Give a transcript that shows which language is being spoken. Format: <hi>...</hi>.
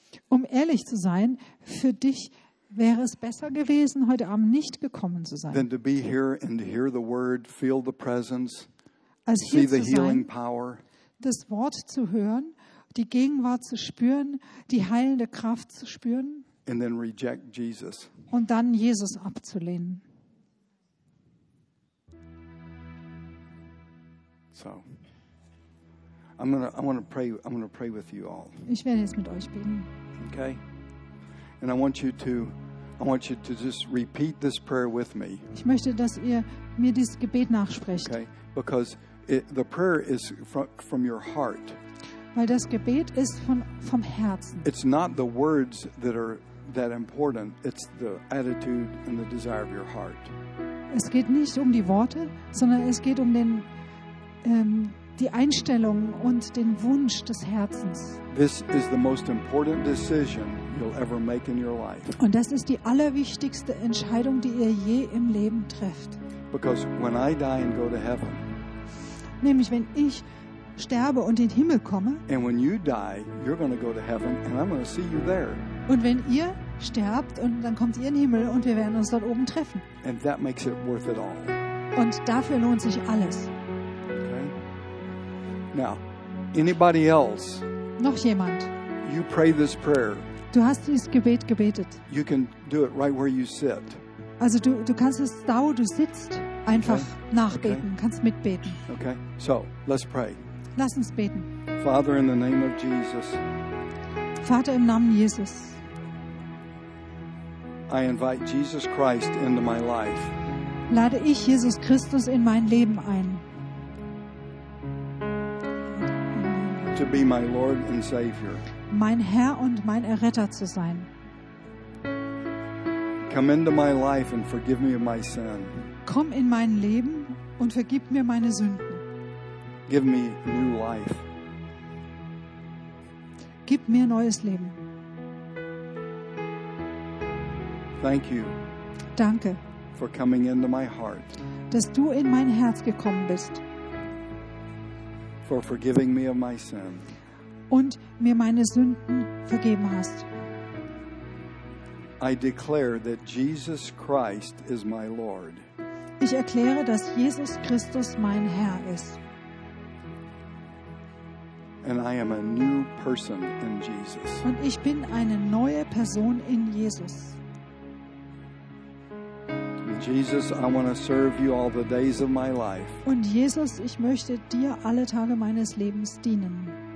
<de>Um ehrlich zu sein, für dich wäre es besser gewesen, heute Abend nicht gekommen zu sein.</de> <en>Than to be here and to hear the word, feel the presence,</en> <de>als</de> <en>see the</en> <de>sein,</de> <en>healing power.</en> <de>Das Wort zu hören, die Gegenwart zu spüren, die heilende Kraft zu spüren.</de> <en>And then reject Jesus.</en> <de>Und dann Jesus abzulehnen.</de> <en>So, I'm gonna pray with you all.</en> <de>Ich werde jetzt mit euch beten.</de> <en>Okay, and I want you to just repeat this prayer with me.</en> <de>Ich möchte, dass ihr mir dieses Gebet nachsprecht.</de> <en>Okay, because the prayer is from your heart.</en> <de>Weil das Gebet ist vom Herzen.</de> <en>It's not the words that are that important. It's the attitude and the desire of your heart.</en> <de>Es geht nicht um die Worte, sondern es geht um den die Einstellung und den Wunsch des Herzens.</de> <en>This is the most important decision you'll ever make in your life.</en> <de>Und das ist die allerwichtigste Entscheidung, die ihr je im Leben trefft.</de> <en>Because when I die and go to heaven,</en> <de>nämlich wenn ich sterbe und in den Himmel komme,</de> <en>and when you die, you're going to go to heaven and I'm going to see you there.</en> <de>Und wenn ihr sterbt und dann kommt ihr in den Himmel und wir werden uns dort oben treffen.</de> <en>And that makes it worth it all.</en> <de>Und dafür lohnt sich alles.</de> <en>Now, anybody else?</en> <de>Noch jemand?</de> <en>You pray this prayer.</en> <de>Du hast dieses Gebet gebetet.</de> <en>You can do it right where you sit.</en> <de>Also du kannst es da, wo du sitzt. einfach nachbeten. Okay. Kannst mitbeten.</de> <en>Okay. So, let's pray.</en> <de>Lass uns beten.</de> <en>Father, in the name of Jesus.</en> <de>Vater im Namen Jesus.</de> <en>I invite Jesus Christ into my life.</en> <de>Lade ich Jesus Christus in mein Leben ein.</de> <en>To be my Lord and Savior.</en> <de>Mein Herr und mein Erretter zu sein.</de> <en>Come into my life and forgive me of my sin.</en> <de>Komm in mein Leben und vergib mir meine Sünden.</de> <en>Give me new life.</en> <de>Gib mir neues Leben.</de> <en>Thank you.</en> <de>Danke.</de> <en>For coming into my heart.</en> <de>Dass du in mein Herz gekommen bist.</de> <en>For forgiving me of my sin.</en> <de>Und mir meine Sünden vergeben hast.</de> <en>I declare that Jesus Christ is my Lord.</en> <de>Ich erkläre, dass Jesus Christus mein Herr ist.</de> <en>And I am a new person in Jesus.</en> <de>Und ich bin eine neue Person in Jesus.</de> <en>Jesus, I want to serve you all the days of my life.</en> <de>Und Jesus, ich möchte dir alle Tage meines Lebens dienen.</de>